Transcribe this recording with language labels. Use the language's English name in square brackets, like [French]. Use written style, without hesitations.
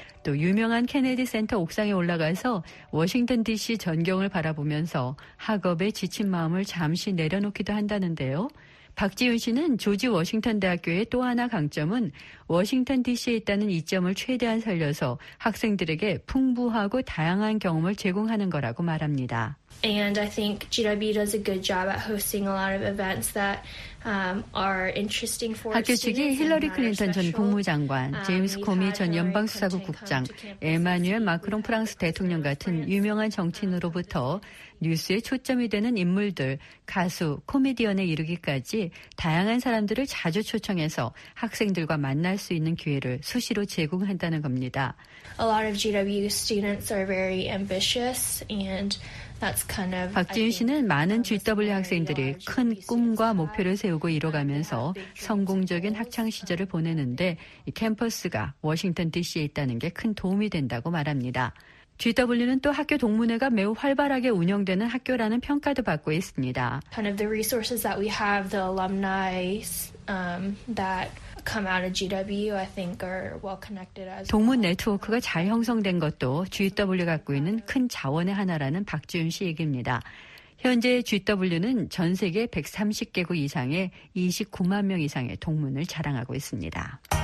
[Korean] 또 유명한 케네디 센터 옥상에 올라가서 워싱턴 DC 전경을 바라보면서 학업에 지친 마음을 잠시 내려놓기도 한다는데요. 박지윤 씨는 조지 워싱턴 대학교의 또 하나 강점은 워싱턴 DC에 있다는 이점을 최대한 살려서 학생들에게 풍부하고 다양한 경험을 제공하는 거라고 말합니다. [English] And I think GW does a good job at hosting a lot of events that are interesting for students. [Korean] 학교 측이 힐러리 클린턴 전 국무장관, 제임스 코미 전 연방수사국 국장, 에마뉘엘 마크롱 프랑스 대통령 같은 유명한 정치인으로부터 뉴스에 초점이 되는 인물들, 가수, 코미디언에 이르기까지 다양한 사람들을 자주 초청해서 학생들과 만날 수 있는 기회를 수시로 제공한다는 겁니다. [English] A lot of GW students are very ambitious and that's kind of [Korean] 박지윤 씨는 많은 GW 학생들이 큰 꿈과 목표를 세우고 이뤄가면서 성공적인 학창 시절을 보내는데 이 캠퍼스가 워싱턴 DC에 있다는 게 큰 도움이 된다고 말합니다. GW는 또 학교 동문회가 매우 활발하게 운영되는 학교라는 평가도 받고 있습니다. [English] Kind of the resources that we have, the alumni that come out of GW, I think are well connected as well. [Korean] 동문 네트워크가 잘 형성된 것도 GW 갖고 있는 큰 자원의 하나라는 박지훈 씨 얘기입니다. 현재 GW는 전 세계 130개국 이상의 29만 명 이상의 동문을 자랑하고 있습니다.